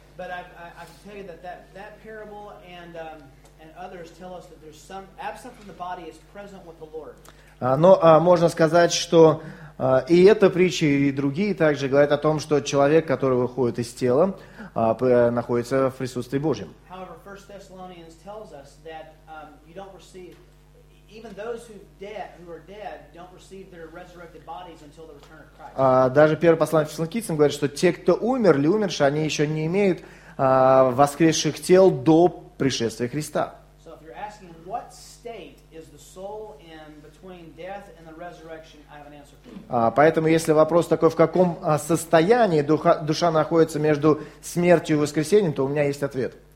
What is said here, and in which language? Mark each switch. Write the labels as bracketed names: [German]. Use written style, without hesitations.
[English] But I can tell you that parable and others tell us that there's some absent from the body is present with the Lord. [Russian] Можно сказать, что и эта притча, и другие также говорят о том, что человек, который выходит из тела, находится в присутствии Божьем. [English] However, 1 Thessalonians tells us that you don't receive even those who are dead don't receive their resurrected bodies until the return of Christ. [Russian] Даже первое послание Фессалоникийцам говорит, что те, кто умерли, умершие, они еще не имеют воскресших тел до пришествия Христа. [English] So if you're asking what state is the soul in between death and the resurrection, I have an answer for you. [Russian] Поэтому, если вопрос такой, в каком состоянии душа находится между смертью и воскресением, то у меня есть ответ.